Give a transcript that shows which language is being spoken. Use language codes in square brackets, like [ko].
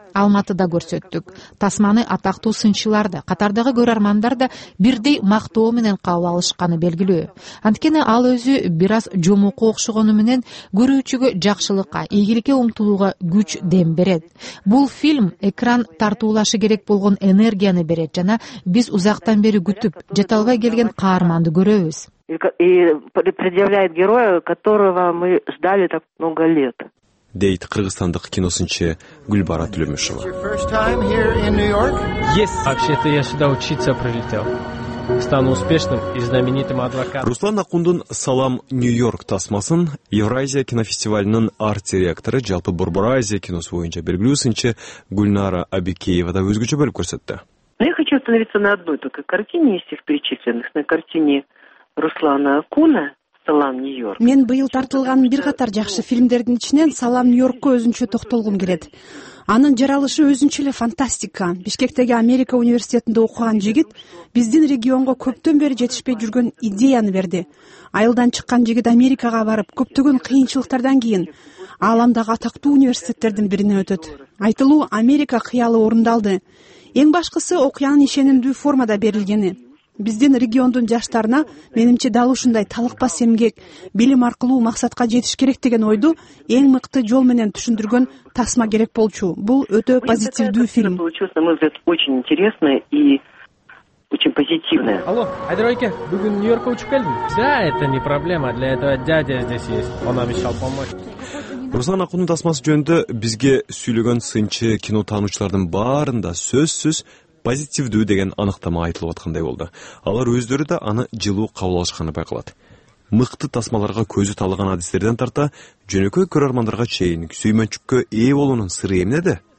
[ky] Алматыда көрсөттүк. Тасманы атактуу сынчылар да, Катардагы көрөрмандар да бирдей мактоо менен кабыл алышканы белгилүү. Анткени ал өзү бир аз жомокко окшогону менен көрүүчүгө жакшылыкка, ийгиликке умтулууга күч дем берет. Бул фильм экран тартуулашы керек болгон энергияны берет жана биз узактан бери күтүп, жете албай келген каарманды көрөбүз. [ru] И предъявляет героя, которого мы ждали так много лет. [ky] Дейт кыргызстандык киносунчу Гүлбара Түлөмүшова. [en] Yes, [ru] вообще-то я сюда учиться прилетел. Стану успешным и знаменитым адвокатом. [ky] Руслан Акундун «Салам, Нью-Йорк» тасмасын Евразия кинофестивалинин арт-директору жалпы Борборазия киносу боюнча белгилүү сынчы Гүлнара Абикеева да өзгөчө бөлүп көрсөттү. [ru] Я хочу остановиться на одной только картине из всех перечисленных, на картине Руслана Акуна. [ky] Мен быйыл тартылган бир катар жакшы фильмдердин ичинен «Салам, Нью-Йоркко» өзүнчө токтолгум келет. Анын жаралышы өзүнчө эле фантастика. Бишкектеги Америка университетинде окуган жигит биздин регионго көптөн бери жетишпей жүргөн идеяны берди. Айылдан чыккан жигит Америкага барып, көптөгөн кыйынчылыктардан кийин ааламдагы атактуу университеттердин бирине өтөт. Айтылуу Америка кыялы орундалды. Эң башкысы окуянын ишенимдүү формада берилгени. Биздин региондун жаштарына менимче дал ушундай талыкпас эмгек, билим аркылуу максатка жетиш керек деген ойду эң мыкты жол менен түшүндүргөн тасма керек болчу. Бул өтө позитивдүү фильм. [ru] Получилось, на мой взгляд, очень интересно и очень позитивное. [ky] Алло, Айдарбайке, бүгүн Нью-Йоркко учуп келдим. [ru] Да, это не проблема, для этого дядя здесь есть. Он обещал помочь. [ky] Руслан Акундун тасмасы жөнүндө бизге сүйлөгөн сынчы кино таануучулардын баарында сөзсүз позитивдүү деген аныктама айтылып аткандай болду. Алар өздөрү да аны жылуу кабыл алышканы байкалат. Мыкты тасмаларга көзү талган адистерден тарта жөнөкөй көрөрмандарга чейин сүймөнчүккө ээ болуунун сыры эмнеде?